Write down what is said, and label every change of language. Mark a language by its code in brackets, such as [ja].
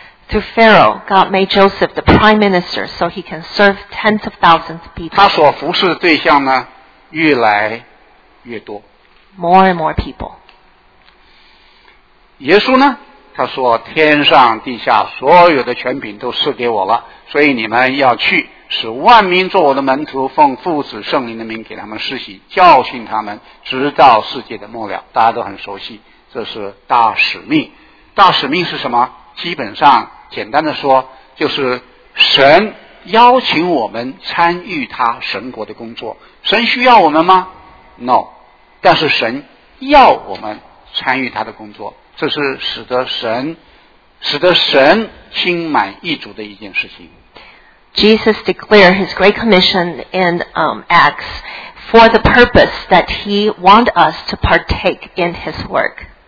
[en] Through Pharaoh, God made Joseph the prime minister so he can serve tens of thousands of people. [zh] 他所服侍的对象呢，越来越多。 [en] More and more people. [zh] 耶稣呢，他说，天上地下所有的权柄都赐给我了，所以你们要去，使万民做我的门徒，奉父子圣灵的名给他们施洗，教训他们，直到世界的末了。大家都很熟悉，这是大使命。大使命是什么？基本上简单的说，就是神邀请我们参与他神国的工作。神需要我们吗？No， 但是神要我们参与他的工作，这是使得神心满意足的一件事情。 [en] Jesus declared his great commission in Acts for the purpose that he want us to partake in his work.